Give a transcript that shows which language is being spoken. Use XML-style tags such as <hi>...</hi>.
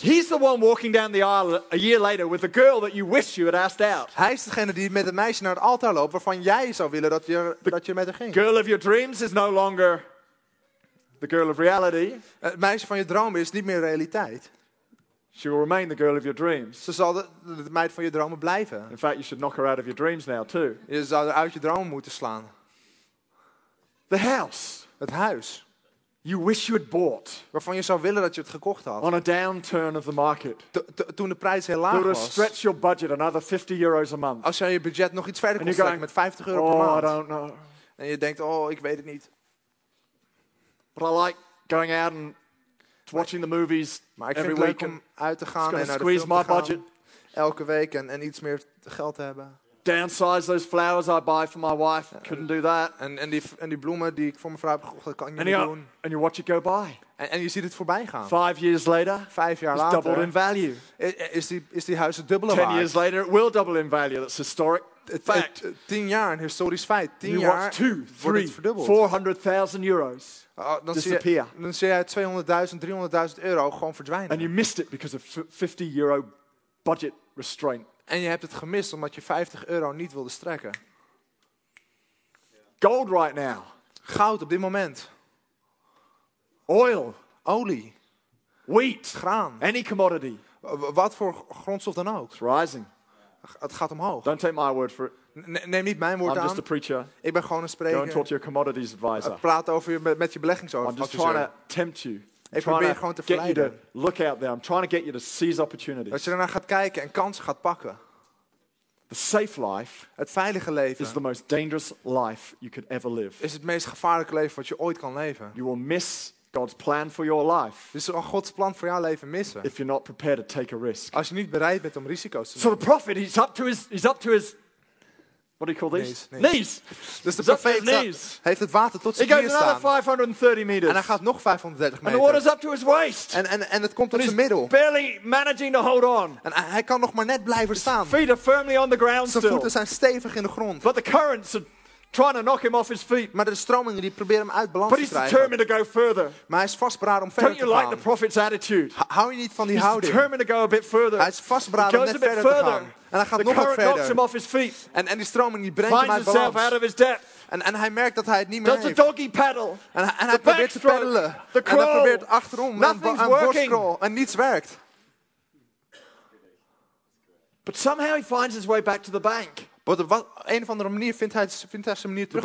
<en>He's the one walking down the aisle a year later with the girl that you wish you had asked out.</en> <nl>Hij is degene die met het meisje naar het altaar loopt waarvan jij zou willen dat je met haar ging.</nl> <en>Girl of your dreams is no longer the girl of reality.</en> <nl>Het meisje van je dromen is niet meer realiteit.</nl> <en>She will remain the girl of your dreams.</en> <nl>Ze zal de meid van je dromen blijven.</nl> <en>In fact, you should knock her out of your dreams now too.</en> <nl>Je zou haar uit je dromen moeten slaan.</nl> <en>The house.</en> <nl>Het huis.</nl> <en>You wish you had bought.</en> <nl>Waarvan je zou willen dat je het gekocht had.</nl> <en>On a downturn of the market.</en> <nl>Toen de prijs heel laag was.</nl> <en>To stretch your budget another 50 euros a month.</en> <nl>Als jij je budget nog iets verder kon strekken met 50 euro per maand.</nl> <en>I don't know.</en> <nl>En je denkt, oh, ik weet het niet.</nl> <en>But I like going out and watching the movies every week</en> <nl>om uit te gaan en naar de film te gaan</nl> <en>budget.</en> <nl>Elke week en iets meer geld te hebben.</nl> <en>Downsize those flowers I buy for my wife. Couldn't do that.</en> <nl>En die bloemen die ik voor mijn vrouw heb gekocht, kan ik niet doen.</nl> <en>And you watch it go by.</en> <nl>En je ziet het voorbij gaan.</nl> <en>5 years later.</en> <nl>5 jaar</nl> <en>later. Doubled in value.</en> <nl>Is die huis het dubbele waard?</nl> <en>10 years later, it will double in value. That's historic fact.</en> <nl>10 jaar, een historisch feit. 10 jaar.</nl> <en>Watch 400,000 euros.</en> <nl>Dan zie je 200.000, 300.000 euro gewoon verdwijnen.</nl> <en>And you missed it because of 50 euro budget restraint.</en> <nl>En je hebt het gemist omdat je 50 euro niet wilde strekken.</nl> <en>Gold right now.</en> <nl>Goud op dit moment.</nl> <en>Oil.</en> <nl>Olie.</nl> <en>Wheat.</en> <nl>Graan.</nl> <en>Any commodity.</en> <nl>Wat voor grondstof dan ook.</nl> <en>It's rising.</en> <nl>Het gaat omhoog.</nl> <en>Don't take my word for it.</en> <nl>Neem niet mijn woord</nl> <en>I'm</en> <nl>aan.</nl> <en>Just a preacher.</en> <nl>Ik ben gewoon een spreker.</nl> <en>Go and talk to your commodities advisor.</en> <nl>Praat over met je beleggingsadviseur.</nl> <en>I'm just trying to tempt you.</en> <nl>Ik probeer gewoon te verleiden.</nl> <en>Get you to look out there. I'm trying to get you to seize opportunities.</en> <nl>Als je ernaar gaat kijken en kansen gaat pakken.</nl> <en>The safe life.</en> <nl>Het veilige leven.</nl> <en>Is the most dangerous life you could ever live.</en> <nl>Is het meest gevaarlijke leven wat je ooit kan leven.</nl> <en>You will miss God's plan for your life.</en> <nl>Dus al Gods plan voor jouw leven missen.</nl> <en>If you're not prepared to take a risk.</en> <nl>Als je niet bereid bent om risico's te nemen.</nl> <en>So the prophet, he's up to his what do you call these? Knees.</en> <nl>Dus de profeet heeft het water tot zijn knieën staan.</nl> <en>530 meters.</en> <nl>En hij gaat nog 530 meter.</nl> <en>And the water's up to his waist.</en> <nl>En het komt tot zijn middel.</nl> <en>Barely managing to hold on.</en> <nl>En hij kan nog maar net blijven staan.</nl> <en>His feet are firmly on the ground still.</en> <nl>Zijn voeten zijn stevig in de grond.</nl> <en>But the currents are trying to knock him off his feet.</en> <nl>Maar de stromingen die proberen hem uit balans te krijgen.</nl> <en>But he's determined to go further.</en> <nl>Maar hij is vastberaden om verder te gaan.</nl> <en>Don't you like the prophet's attitude?</en> <nl>Hou je niet van die houding?</nl> <en>He's determined to go a bit further.</en> <nl>Hij is vastberaden om net verder te gaan. En hij gaat</nl> <en>the</en> <nl>nog wat verder.</nl> <en>Knocks him off his feet.</en> <nl>En die stroming die brengt hem uit balans.</nl> <en>Finds himself out of his depth.</en> <nl>En hij merkt dat hij het niet meer heeft.</nl> <en>Does a doggy paddle.</en> <nl>En hij probeert te paddelen.</nl> <en>The crawl.</en> <nl>En hij probeert achterom.</nl> <en>Nothing's working.</en> <nl>En niets werkt.</nl> <en>But somehow he finds his way back to the bank.</en> <nl>Maar op een of andere manier vindt hij zijn manier terug</nl>